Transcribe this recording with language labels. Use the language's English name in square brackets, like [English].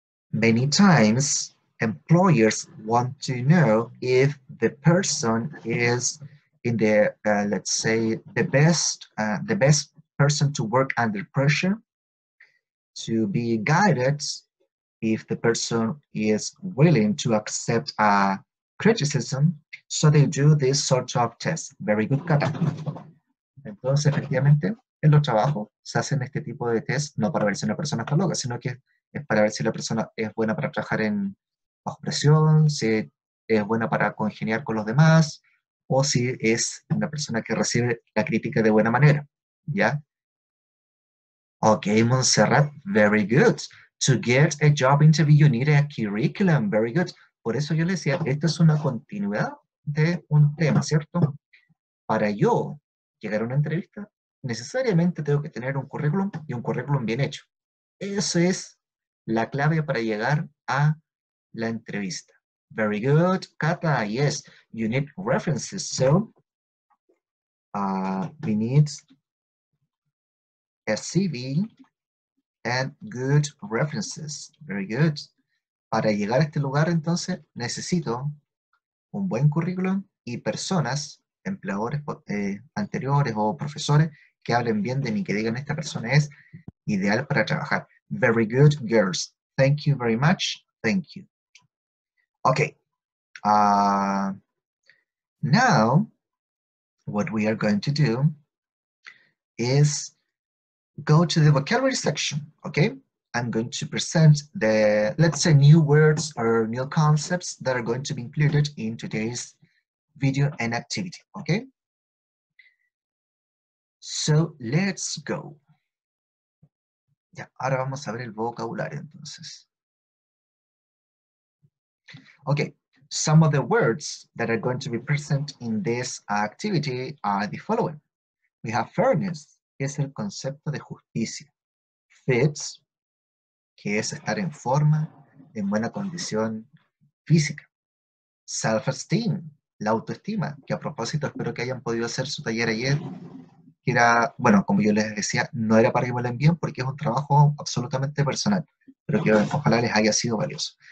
[English] Many times employers want to know if the person is in the, let's say, the best person to work under pressure, to be guided, if the person is willing to accept a criticism. So they do this sort of test. Very good, Kata. [Spanish] Entonces, efectivamente, en los trabajos se hacen este tipo de test, no para ver si una persona está loca, sino que es para ver si la persona es buena para trabajar en bajo presión, si es buena para congeniar con los demás, o si es una persona que recibe la crítica de buena manera. [English] ¿Ya? Ok, Montserrat, very good. To get a job interview, you need a curriculum. Very good. [Spanish] Por eso yo le decía, esto es una continuidad de un tema, ¿cierto? Para yo llegar a una entrevista, necesariamente tengo que tener un currículum y un currículum bien hecho. Eso es la clave para llegar a la entrevista. [English] Very good, Kata. Yes, you need references. So, we need a CV and good references. Very good. [Spanish] Para llegar a este lugar, entonces, necesito un buen currículum y personas empleadores anteriores o profesores que hablen bien de mí, que digan esta persona es ideal para trabajar. [English] Very good, girls. Thank you very much. Thank you. Okay. Now, what we are going to do is go to the vocabulary section, okay? I'm going to present the, let's say, new words or new concepts that are going to be included in today's video and activity, okay? So, let's go. [Spanish] Ya, ahora vamos a ver el vocabulario, entonces. [English] Okay, some of the words that are going to be present in this activity are the following. We have fairness, [Spanish] que es el concepto de justicia. Fit, que es estar en forma, en buena condición física. Self-esteem, la autoestima, que a propósito espero que hayan podido hacer su taller ayer, que era, bueno, como yo les decía, no era para que me lo envíen porque es un trabajo absolutamente personal, pero que ojalá les haya sido valioso.